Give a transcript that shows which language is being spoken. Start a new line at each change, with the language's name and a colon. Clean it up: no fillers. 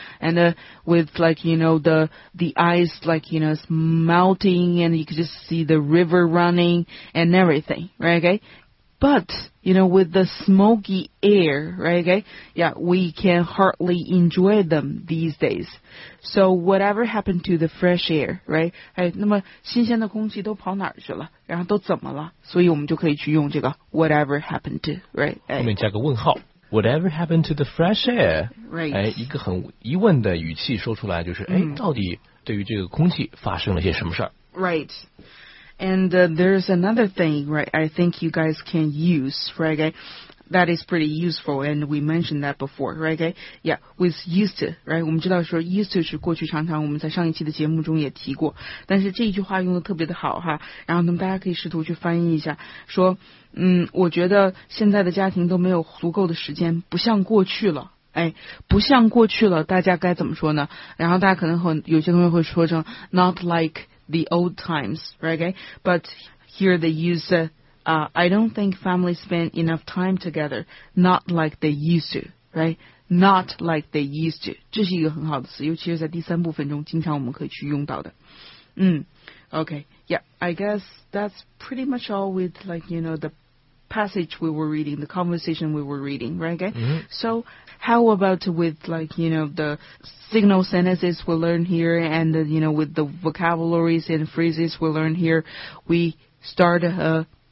English: And with, like, you know, the ice, like, you know, it's melting and you can just see the river running and everything, right? Okay? But, you know, with the smoky air, right? Okay? Yeah, we can hardly enjoy them these days. So whatever happened to the fresh air, right?
Chinese: 哎，那么新鲜的空气都跑哪儿去了？然后都怎么了？所以我们就可以去用这个
English: whatever happened to,
Chinese: right? 后面加个问号
English: ，whatever happened to the fresh air? Right?
Chinese: 哎，一个很疑问的语气说出来，就是哎，到底对于这个空气发生了些什么事儿
English: ？Right. And there's another thing, right? I think you guys can use, right? That is pretty useful, and we mentioned that before, right? Okay? Yeah, with used to, right?
Chinese: 我们知道说 used to 是过去常常，我们在上一期的节目中也提过。但是这一句话用的特别的好哈，然后那么大家可以试图去翻译一下，说，我觉得现在的家庭都没有足够的时间，不像过去了，哎，不像过去了，大家该怎么说呢？然后大家可能很有些同学会说成
English: not like the old times, right? Okay? But here they use I don't think families spend enough time together, not like they used to, right? Not like they used to.
Chinese: 这是一个很好的词，尤其是在第三部分中，经常我们可以去用到的。
English: Okay, yeah, I guess that's pretty much all with, like, you know, the passage we were reading, the conversation we were reading, right? Okay? Mm-hmm. So, how about with, like, you know, the signal sentences we learned here, and, you know, with the vocabularies and phrases we learned here, we start a...